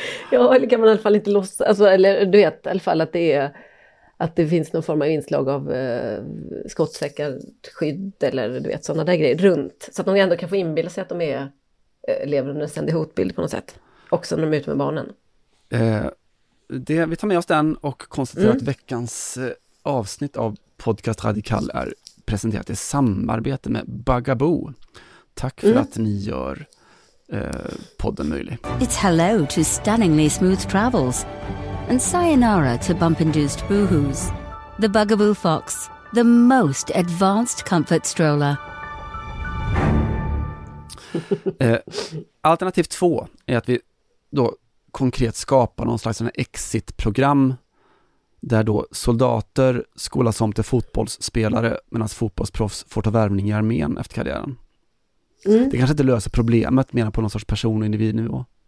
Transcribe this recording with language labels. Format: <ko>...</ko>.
<sv>Ja, eller kan man i alla fall inte låtsas, alltså, eller du vet, i alla fall att det är, att det finns någon form av inslag av skottsäkert skydd, eller du vet, sådana där grejer runt, så att de ändå kan få inbilda sig att de är lever under en ständig hotbild på något sätt också när de är ute med barnen. Det, vi tar med oss den och konstaterar att veckans avsnitt av Podcast Radikal är presenterat i samarbete med Bugaboo. Tack för att ni gör podden möjlig.</sv> <en>It's hello to stunningly smooth travels and sayonara to bump-induced boohoos. The Bugaboo Fox, the most advanced comfort stroller.</en> <sv>Alternativ två är att vi då konkret skapar någon slags exit-program där då soldater skolas om till fotbollsspelare medan fotbollsproffs får ta värvning i armén efter karriären. Mm. Det kanske inte löser problemet, menar på någon sorts person- och individnivå.</sv>